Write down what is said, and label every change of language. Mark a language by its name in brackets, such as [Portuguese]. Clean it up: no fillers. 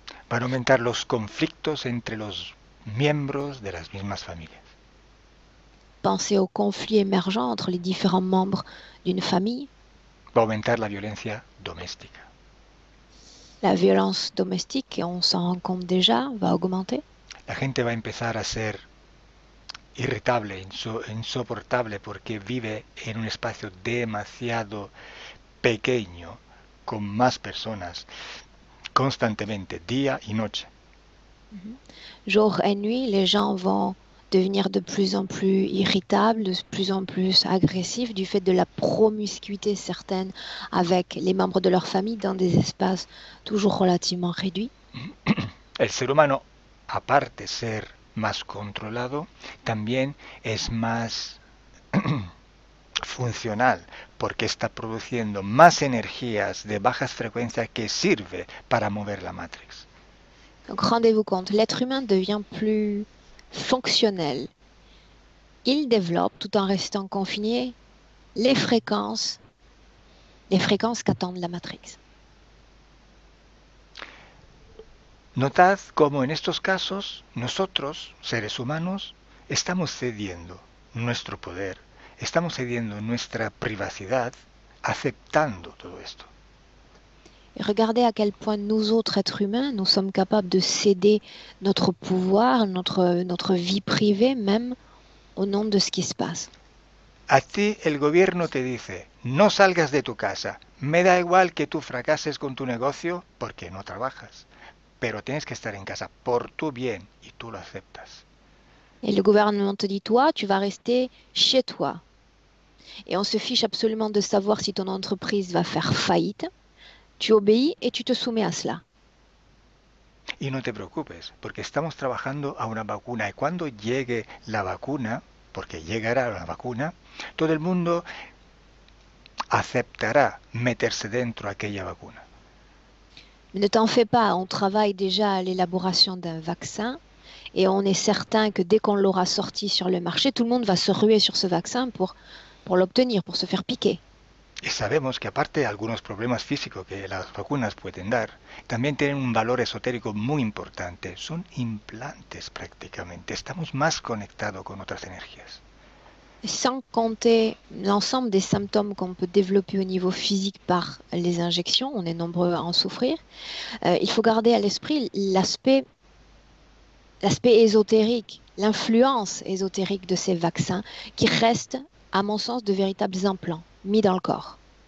[Spanish] Van a aumentar los conflictos entre los miembros de las mismas familias. [French] Pensez aux conflits émergents entre les différents membres d'une famille. [Spanish] Va a aumentar la violencia doméstica. [French] La violence domestique, et on s'en rend compte déjà, va augmenter. [Spanish] La gente va a empezar a ser irritable, insoportable, porque vive en un espacio demasiado pequeño, con más personas, constantemente, día y noche. [French] Jour et nuit, les gens vont devenir de plus en plus irritable, de plus en plus agressif du fait de la promiscuité certaine avec les membres de leur famille dans des espaces toujours relativement réduits. [Spanish] El ser humano, aparte de ser más controlado, también es más funcional porque está produciendo más energías de bajas frecuencias que sirve para mover la matriz. [French] Donc rendez-vous compte, l'être humain devient plus fonctionnel. Il développe, tout en restant confiné, les fréquences qu'attend la matrice. [Spanish] Notad cómo en estos casos nosotros, seres humanos, estamos cediendo nuestro poder, estamos cediendo nuestra privacidad, aceptando todo esto. [French] Regardez à quel point nous autres êtres humains, nous sommes capables de céder notre pouvoir, notre vie privée même au nom de ce qui se passe. [Spanish] A ti el gobierno te dice, no salgas de tu casa, me da igual que tú fracases con tu negocio porque no trabajas. Pero tienes que estar en casa por tu bien y tú lo aceptas. [French] Et le gouvernement te dit, toi, tu vas rester chez toi. Et on se fiche absolument de savoir si ton entreprise va faire faillite. Tu obéis et tu te soumets à cela. [Spanish] Y no te preocupes, porque estamos trabajando a una vacuna. Y cuando llegue la vacuna, porque llegará la vacuna, todo el mundo aceptará meterse dentro de aquella vacuna. [French] Ne t'en fais pas, on travaille déjà à l'élaboration d'un vaccin et on est certain que dès qu'on l'aura sorti sur le marché, tout le monde va se ruer sur ce vaccin pour l'obtenir, pour se faire piquer. [Spanish] Y sabemos que aparte de algunos problemas físicos que las vacunas pueden dar, también tienen un valor esotérico muy importante. Son implantes prácticamente. Estamos más conectados con otras energías. [French] Sans compter l'ensemble des symptômes qu'on peut développer au niveau physique par les injections, on est nombreux à en souffrir, il faut garder à l'esprit l'aspect ésotérique, l'influence ésotérique de ces vaccins qui restent, à mon sens, de véritables implants mis dans le corps.